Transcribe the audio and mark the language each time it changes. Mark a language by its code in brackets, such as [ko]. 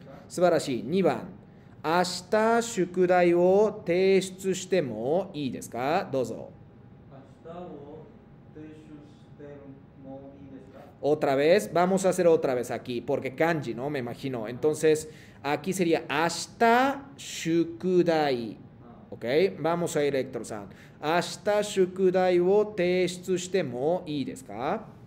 [ja] 素晴らしい。2番、明日宿題を提出してもいいですか？どうぞ。明日を提出してもいいですか？ [es] Otra vez、vamos a hacer otra vez aquí, porque kanji, ¿no? Me imagino. Entonces, aquí sería [ja] 明日宿題。 [es] OK? Vamos a ir, Héctor さん。 [ja] 明日宿題を提出してもいいですか？